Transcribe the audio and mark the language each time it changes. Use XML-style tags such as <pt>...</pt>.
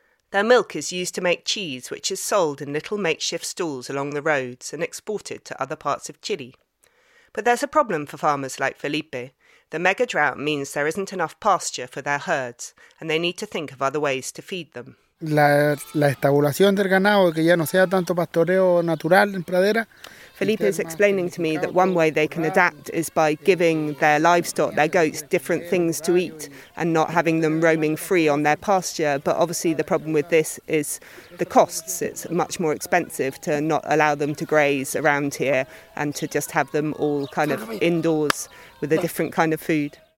<en>Their milk is used to make cheese, which is sold in little makeshift stalls along the roads and exported to other parts of Chile. But there's a problem for farmers like Felipe. The mega drought means there isn't enough pasture for their herds, and they need to think of other ways to feed them.</en> <es>La estabulación del ganado, que ya no sea tanto pastoreo natural en pradera.</es> <en>Felipe is explaining to me that one way they can adapt is by giving their livestock, their goats, different things to eat and not having them roaming free on their pasture. But obviously the problem with this is the costs. It's much more expensive to not allow them to graze around here and to just have them all kind of indoors with a different kind of food.</en>